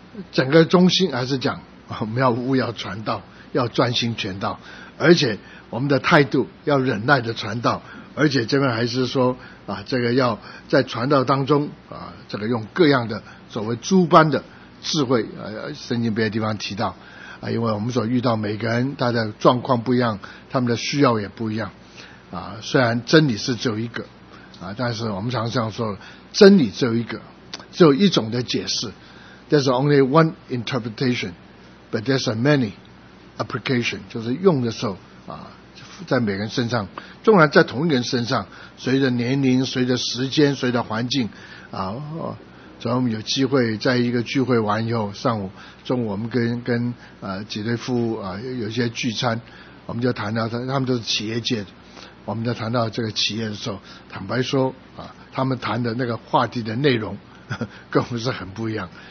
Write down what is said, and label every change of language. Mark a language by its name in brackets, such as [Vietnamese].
[Chinese] 整个中心还是讲我们要务要传道，要专心全道，而且我们的态度要忍耐的传道，而且这边还是说啊，这个要在传道当中啊，这个用各样的所谓诸般的智慧啊，圣经别的地方提到啊，因为我们所遇到每个人他的状况不一样，他们的需要也不一样啊，虽然真理是只有一个啊，但是我们常常说真理只有一个，只有一种的解释。 [English] There's only one interpretation, but there's a many application. [Chinese] 就是用的时候啊，在每个人身上，纵然在同一个人身上，随着年龄、随着时间、随着环境啊，所以我们有机会在一个聚会完以后，上午、中午我们跟几对夫妇啊，有一些聚餐，我们就谈到他们都是企业界的，我们就谈到这个企业的时候，坦白说啊，他们谈的那个话题的内容跟我们是很不一样。